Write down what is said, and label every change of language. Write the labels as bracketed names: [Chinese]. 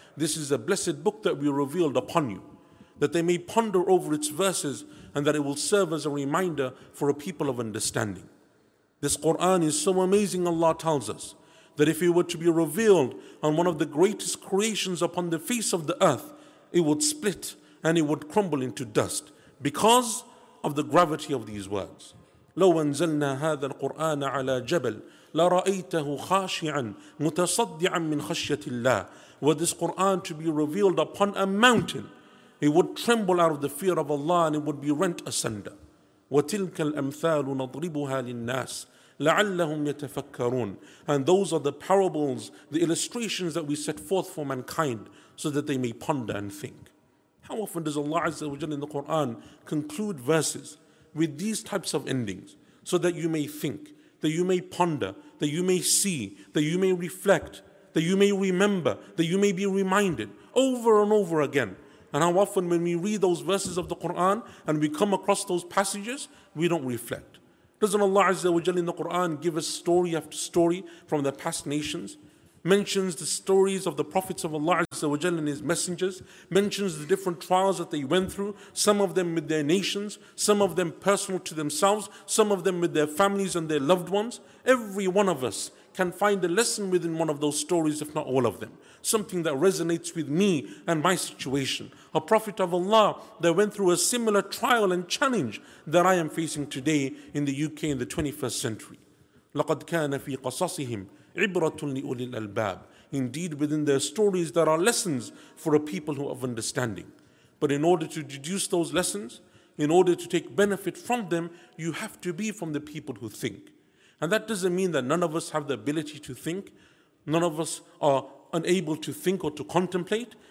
[English] This is a blessed book that we revealed upon you, that they may ponder over its verses and that it will serve as a reminder for a people of understanding. This Qur'an is so amazing, Allah tells us, that if it were to be revealed on one of the greatest creations upon the face of the earth, it would split and it would crumble into dust because of the gravity of these words. [Arabic] لو أنزلنا هذا القرآن على جبل لرأيته خاشعا متصدعا من خشية الله. [English] Were this Qur'an to be revealed upon a mountain, it would tremble out of the fear of Allah and it would be rent asunder. [Arabic] وتلك الأمثال نضربها للناس لعلهم يتفكرون. [English] And those are the parables, the illustrations that we set forth for mankind, so that they may ponder and think. How often does Allah Azza wa Jalla in the Quran conclude verses with these types of endings, so that you may think, that you may ponder, that you may see, that you may reflect, that you may remember, that you may be reminded, over and over again? And how often when we read those verses of the Quran and we come across those passages, we don't reflect? Doesn't Allah Azza wa Jalla in the Quran give us story after story from the past nations? Mentions the stories of the prophets of Allah Azza wa Jalla and His messengers, mentions the different trials that they went through, some of them with their nations, some of them personal to themselves, some of them with their families and their loved ones. Every one of us can find a lesson within one of those stories, if not all of them. Something that resonates with me and my situation. A prophet of Allah that went through a similar trial and challenge that I am facing today in the UK in the 21st century. [Arabic] لقد كان في قصصهم عبرة لأولي الألباب. [English] Indeed, within their stories there are lessons for a people who have understanding. But in order to deduce those lessons, in order to take benefit from them, you have to be from the people who think. And that doesn't mean that none of us have the ability to think, none of us are unable to think or to contemplate.